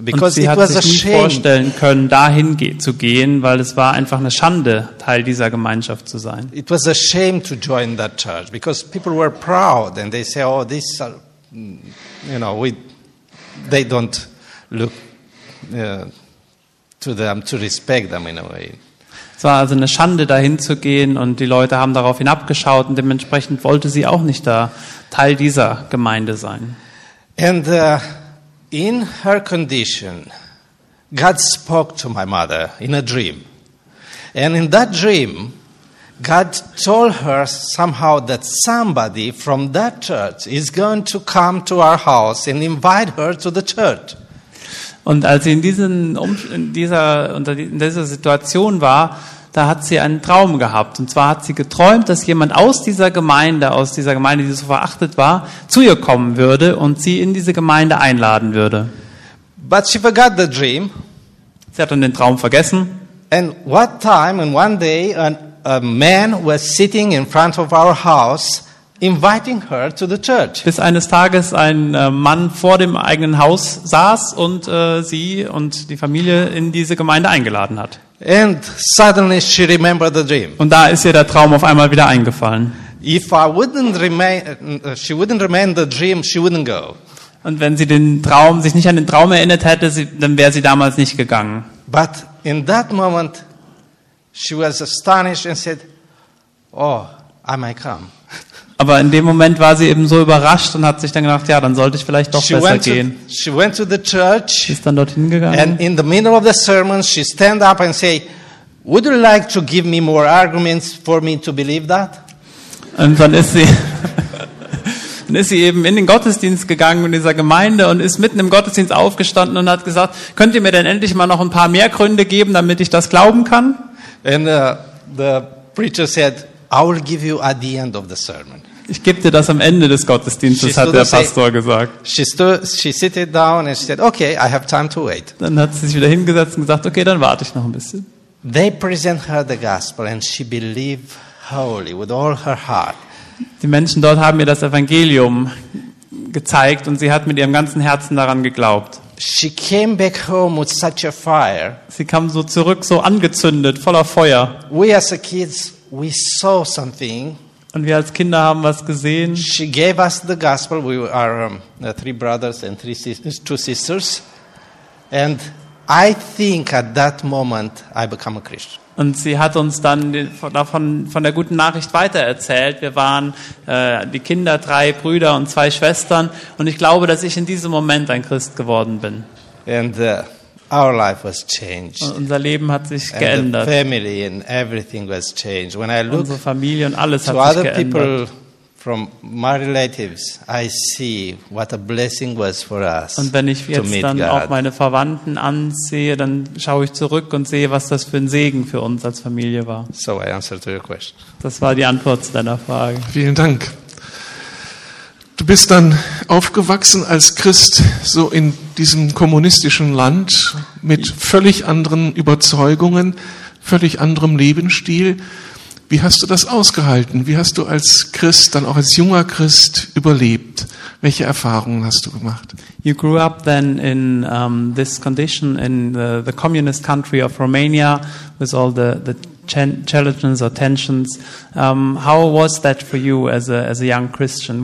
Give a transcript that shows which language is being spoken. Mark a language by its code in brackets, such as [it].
[en] because it was a shame. [de] Und sie hat sich nie vorstellen können, dahin zu gehen, weil es war einfach eine Schande, Teil dieser Gemeinschaft zu sein. [en] It was a shame to join that church because people were proud and they say, oh, this, you know, they don't look to them to respect them in a way. [de] Es war also eine Schande, dahin zu gehen, und die Leute haben darauf hinabgeschaut und dementsprechend wollte sie auch nicht da Teil dieser Gemeinde sein. [en] And in her condition, God spoke to my mother in a dream, and in that dream, God told her somehow that somebody from that church is going to come to our house and invite her to the church. [de] Und als sie in dieser Situation war, da hat sie einen Traum gehabt. Und zwar hat sie geträumt, dass jemand aus dieser Gemeinde, die so verachtet war, zu ihr kommen würde und sie in diese Gemeinde einladen würde. [en] But she forgot the dream. [de] Sie hat dann den Traum vergessen. [en] And what time and one day a man was sitting in front of our house inviting her to the church. [de] Bis eines Tages ein Mann vor dem eigenen Haus saß und sie und die Familie in diese Gemeinde eingeladen hat. [en] And suddenly she remembered the dream. [de] Und da ist ihr der Traum auf einmal wieder eingefallen. [en] If I wouldn't she wouldn't remember the dream, she wouldn't go. [de] Und wenn sie sich nicht an den Traum erinnert hätte, dann wäre sie damals nicht gegangen. [en] But in that moment she was astonished and said, "Oh, I might come." [de] Aber in dem Moment war sie eben so überrascht und hat sich dann gedacht, ja, dann sollte ich vielleicht doch besser gehen. [en] She went to the church. [de] Sie ist dann dorthin gegangen. [en] And in the middle of the sermon, she stand up and say, "Would you like to give me more arguments for me to believe that?" [de] Und dann ist sie eben in den Gottesdienst gegangen in dieser Gemeinde und ist mitten im Gottesdienst aufgestanden und hat gesagt, könnt ihr mir denn endlich mal noch ein paar mehr Gründe geben, damit ich das glauben kann? [en] And the preacher said, "I will give you at the end of the sermon." [de] Ich gebe dir das am Ende des Gottesdienstes, hat der Pastor gesagt. [en] She sat down and she said, "Okay, I have time to wait." [de] Dann hat sie sich wieder hingesetzt und gesagt, okay, dann warte ich noch ein bisschen. [en] They present her the gospel and she believed wholly with all her heart. [de] Die Menschen dort haben ihr das Evangelium gezeigt und sie hat mit ihrem ganzen Herzen daran geglaubt. [en] She came back home with such a fire. [de] Sie kam so zurück, so angezündet, voller Feuer. [en] We as a kids, we saw something. [de] Und wir als Kinder haben was gesehen. [en] She gave us the gospel. We are three brothers and two sisters. And I think at that moment I become a Christian. [de] Und sie hat uns dann von der guten Nachricht weitererzählt. Wir waren die Kinder, 3 Brüder und 2 Schwestern. Und ich glaube, dass ich in diesem Moment ein Christ geworden bin. [en] And our life was changed. [de] Und unser Leben hat sich geändert. [en] And the family and everything was changed. When I look, [de] unsere Familie und alles hat sich geändert. [en] To other people from my relatives, I see what a blessing was for us. [de] Und wenn ich jetzt dann auch meine Verwandten ansehe, dann schaue ich zurück und sehe, was das für ein Segen für uns als Familie war. [en] So I answered to your question. [de] Das war die Antwort zu deiner Frage. Vielen Dank. Du bist dann aufgewachsen als Christ so in diesem kommunistischen Land mit völlig anderen Überzeugungen, völlig anderem Lebensstil. Wie hast du das ausgehalten? Wie hast du als Christ, dann auch als junger Christ, überlebt? Welche Erfahrungen hast du gemacht? [en] You grew up then in this condition in the communist country of Romania with all the challenges or tensions. How was that for you as a young Christian?